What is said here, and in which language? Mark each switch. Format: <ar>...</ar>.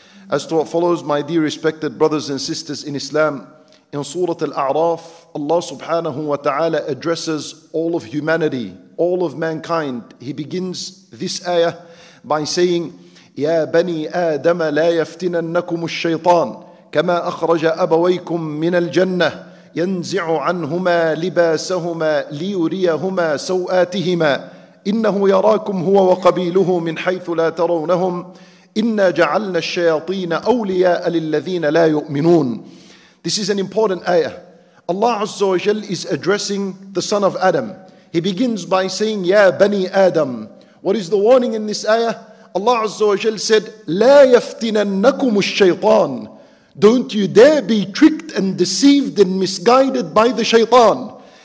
<en>As to what follows, my dear respected brothers and sisters in Islam, in Surah Al-A'raf, Allah subhanahu wa ta'ala addresses all of humanity, all of mankind. He begins this ayah by saying,</en> <ar>يَا بَنِي آدَمَ لَا يَفْتِنَنَّكُمُ الشَّيْطَانِ كَمَا أَخْرَجَ أَبَوَيْكُمْ مِنَ الْجَنَّةِ يَنْزِعُ عَنْهُمَا لِبَاسَهُمَا لِيُرِيَهُمَا سَوْآتِهِمَا إِنَّهُ يَرَاكُمْ هُوَ وَقَبِيلُهُ مِنْ حَيْثُ لَا تَرَوْنَهُمْ إِنَّا جَعَلْنَا الشَّيَاطِينَ أَوْلِيَاءَ لِلَّذِينَ لَا يُؤْمِنُونَ.</ar> <en>This is an important ayah. Allah Azza wa Jal is addressing the son of Adam. He begins by saying,</en> <ar>يَا بَنِي آدَمْ.</ar> <en>What is the warning in this ayah? Allah Azza wa Jal said,</en> <ar>لَا يَفْتِنَنَّكُمُ الشَّيْطَانِ.</ar> <en>Don't you dare be tricked and deceived and misguided by the shaytan.</en>